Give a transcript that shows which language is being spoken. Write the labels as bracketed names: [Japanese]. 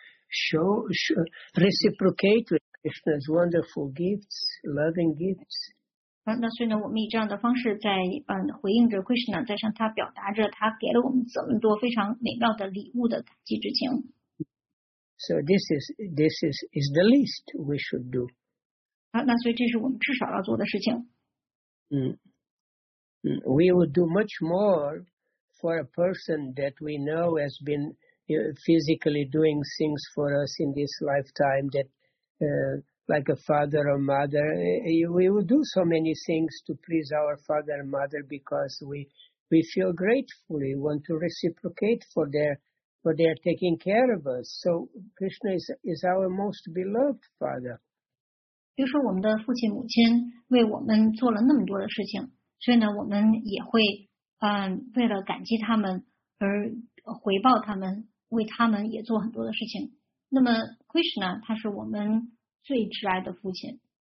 [English] Show, reciprocate with Krishna's wonderful gifts, loving gifts. [Chinese] 那所以呢，我们以这样的方式在回应着 Krishna， 在向他表达着他给了我们这么多非常美妙的礼物的感激之情。 [English] So this is the least we should do. [Chinese] 那所以这是我们至少要做的事情。 [English] We would do much more for a person that we know has been physically doing things for us in this lifetime, that like a father or mother, we would do so many things to please our father and mother because we feel grateful. We want to reciprocate for their taking care of us. So Krishna is our most beloved father. [Chinese] 比如说我们的父亲母亲为我们做了那么多的事情，所以呢，我们也会为了感激他们而回报他们，为他们也做很多的事情。那么 Krishna 他是我们最挚爱的父亲。